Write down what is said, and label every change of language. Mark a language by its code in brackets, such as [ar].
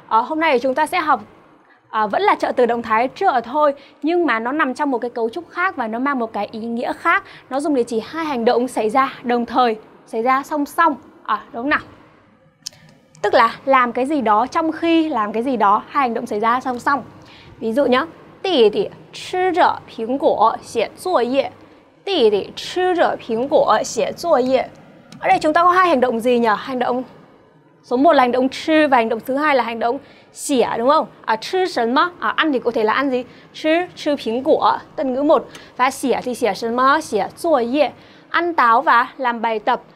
[vi] Hôm nay chúng ta sẽ học vẫn là trợ từ động thái trợ thôi, nhưng mà nó nằm trong một cái cấu trúc khác và nó mang một cái ý nghĩa khác. Nó dùng để chỉ hai hành động xảy ra đồng thời, xảy ra song song. Đúng không nào? Tức là làm cái gì đó trong khi làm cái gì đó, hai hành động xảy ra song song. [zh] Ví dụ nhá, 弟弟吃着苹果写作业. 弟弟吃着苹果写作业. [vi] Ở đây chúng ta có hai hành động gì nhỉ? Hành động số 1 là hành động chư và hành động thứ 2 là hành động xỉa đúng không? Chư sân mơ, ăn thì có thể là ăn gì? Chư phiến của tân ngữ 1. Và xỉa thì xỉa sân mơ, xỉa dùa yê, ăn táo và làm bài tập.